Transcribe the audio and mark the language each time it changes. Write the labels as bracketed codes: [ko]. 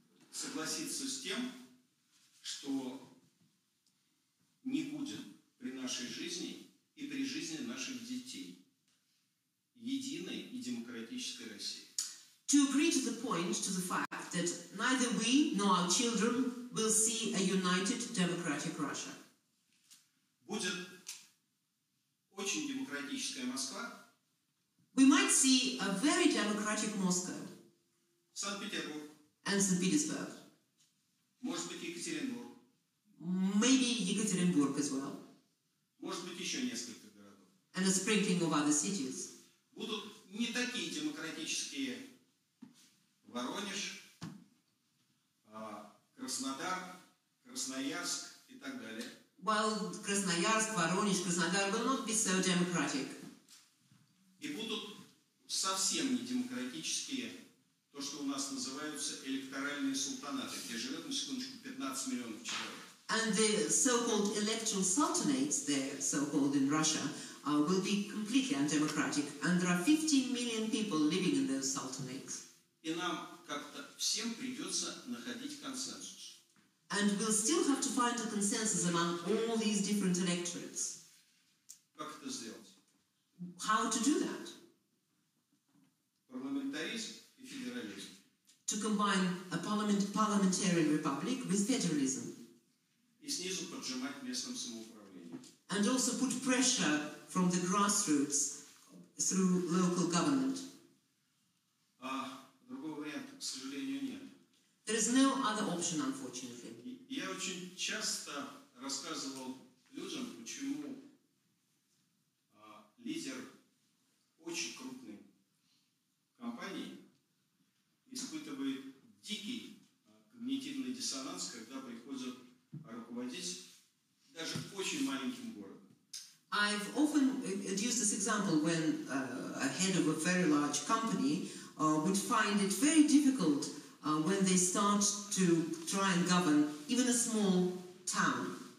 [ru] Согласиться с тем, что не будет при нашей жизни и при жизни наших детей единой и демократической России. [en] To agree to the point, to the fact that neither we nor our children will see a united democratic Russia. [ru] Будет очень демократическая Москва. [en] We might see a very democratic Moscow. [ru] Санкт-Петербург. [en] And St. Petersburg. [ru] Может быть, Екатеринбург. [en] Maybe Екатеринбург as well. [ru] Может быть, еще несколько городов. [en] And a sprinkling of other cities. [ru] Будут не такие демократические Воронеж, Краснодар, Красноярск и так далее. [en] Well, Красноярск, Воронеж, Краснодар will not be so democratic. [ru] И будут совсем не демократические то, что у нас называются электоральные султанаты, где живет, на секундочку, 15 миллионов человек. [en] And the so-called electoral sultanates there, so-called in Russia, will be completely undemocratic. And there are 15 million people living in those sultanates. [ru] И нам как-то всем придется находить консенсус. [en] And we'll still have to find a consensus among all these different electorates. [ru] Как это сделать? [en] How to do that? [ru] Парламентаризм и федерализм. [en] To combine a parliamentary republic with federalism. [ru] И снизу поджимать местным самоуправлением. [en] And also put pressure from the grassroots through local government. [ru] А другого варианта, к сожалению, нет. [en] There is no other option, unfortunately. [ru] Я очень часто рассказывал людям, почему лидер очень крупной компании испытывает дикий когнитивный диссонанс, когда приходит руководить даже очень маленьким городом. [en] I've often used this example when a head of a very large company would find it very difficult when they start to try and govern even a small town.